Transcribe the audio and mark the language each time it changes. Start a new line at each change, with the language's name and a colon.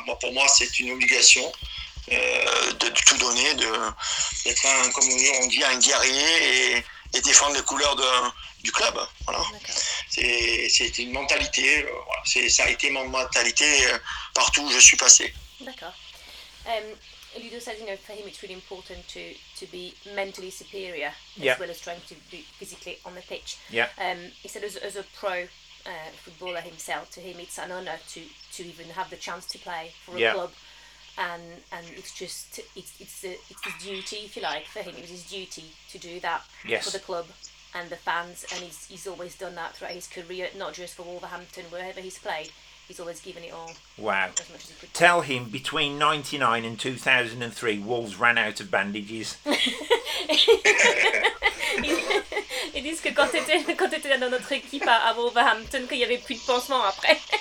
French: Moi, pour moi, c'est une obligation. De tout donner, d'être un, comme on dit, un guerrier et défendre les couleurs du club. Voilà. C'est une mentalité. Voilà. Ça a été mon mentalité partout où je suis passé. D'accord.
English: Ludo says, you know, for him it's really important to be mentally superior as well as trying to be physically on the pitch. Yeah. He said as a pro footballer himself, to him it's an honour to even have the chance to play for a club. And it's his duty, if you like, for him. It was his duty to do that for the club and the fans. And he's always done that throughout his career, not just for Wolverhampton, wherever he's played. He's always given it all. Wow. As much as he could. Tell him between 1999 and 2003, Wolves ran out of bandages.
French: Ils disent que quand t'étais dans notre équipe à Wolverhampton, qu'il n'y avait plus de pansements après.